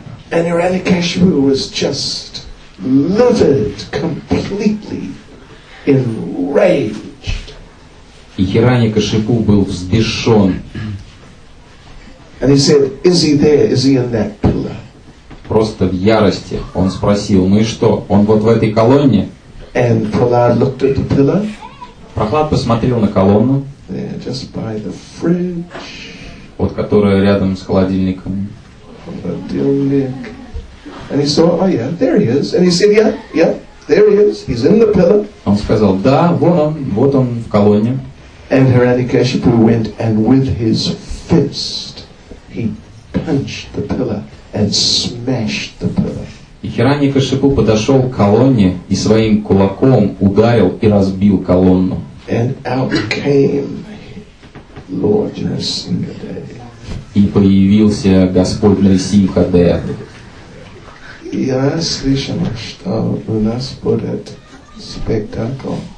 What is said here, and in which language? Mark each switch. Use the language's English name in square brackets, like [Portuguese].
[English] And Hiranyakashipu was just livid, completely enraged. [Russian] И Хираньякашипу был взбешен. [English] And he said, "Is he there? Is he in that pillar?" [Russian] Просто в ярости. Он спросил: "Ну и что? Он вот в этой колонне?" [English] And Prahlad looked at the pillar. [Russian] Прохлад посмотрел на колонну. [English] There, just by the fridge. [Russian] Вот которая рядом с холодильником. Холодильник. [English] And he saw, there he is. And he said, there he is. He's in the pillar. [Russian] Он сказал: да, вот он в колонне. [English] And Hiranyakashipu went and with his fist he punched the pillar and smashed the pillar. [Russian] И Хиранья-Кашипу подошел к колонне и своим кулаком ударил и разбил колонну. [English] And out came Lord Narasimhadev. [Russian] И появился Господь Нарисимхадев. Я слышал, что у нас будет спектакль.